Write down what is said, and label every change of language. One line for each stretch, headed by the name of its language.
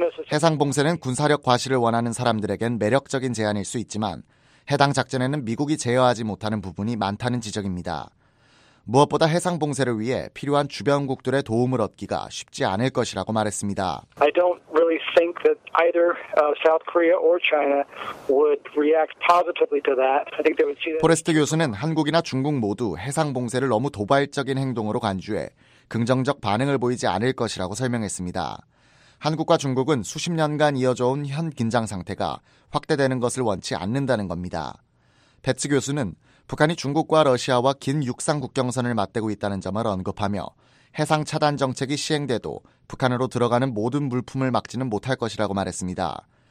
Korean: 해상 봉쇄는 군사력 과시를 원하는 사람들에겐 매력적인 제안일 수 있지만 해당 작전에는 미국이 제어하지 못하는 부분이 많다는 지적입니다. 무엇보다 해상 봉쇄를 위해 필요한 주변국들의 도움을 얻기가 쉽지 않을 것이라고 말했습니다.
English: I don't really think that either South Korea or China would react positively to that. I think they would see.
Korean: 포레스트 교수는 한국이나 중국 모두 해상 봉쇄를 너무 도발적인 행동으로 간주해 긍정적 반응을 보이지 않을 것이라고 설명했습니다. 한국과 중국은 수십 년간 이어져온 현 긴장 상태가 확대되는 것을 원치 않는다는 겁니다. 베츠 교수는 북한이 중국과 러시아와 긴 육상 국경선을 맞대고 있다는 점을 언급하며 해상 차단 정책이 시행돼도 북한으로 들어가는 모든 물품을 막지는 못할 것이라고 말했습니다.